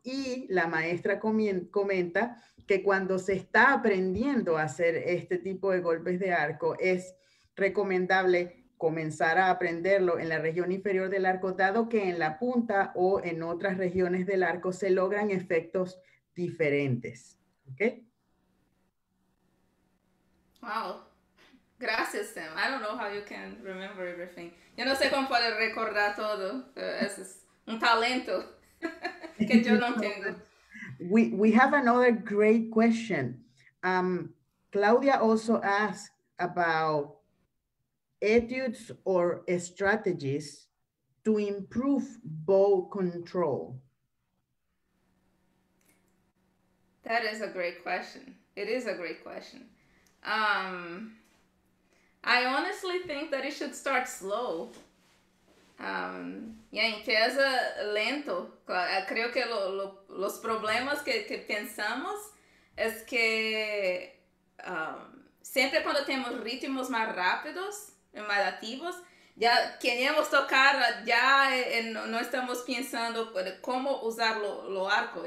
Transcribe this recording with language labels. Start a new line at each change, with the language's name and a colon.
Spanish: Y la maestra comenta que cuando se está aprendiendo a hacer este tipo de golpes de arco, es recomendable comenzar a aprenderlo en la región inferior del arco, dado que en la punta o en otras regiones del arco se logran efectos diferentes. ¿Okay? Wow. Gracias, Sam.
English: I don't know how you can remember everything.
Spanish: Yo no sé cómo poder recordar todo. Un talento que yo no tengo.
English: We have another great question. Claudia also asked about etudes or strategies to improve bow control. That is a great question. It is a great question. I honestly think that it should start slow.
Spanish: Empieza lento. Creo que los problemas que pensamos es que siempre cuando tenemos ritmos más rápidos, más activos, ya queremos tocar, ya no estamos pensando cómo usar lo arco.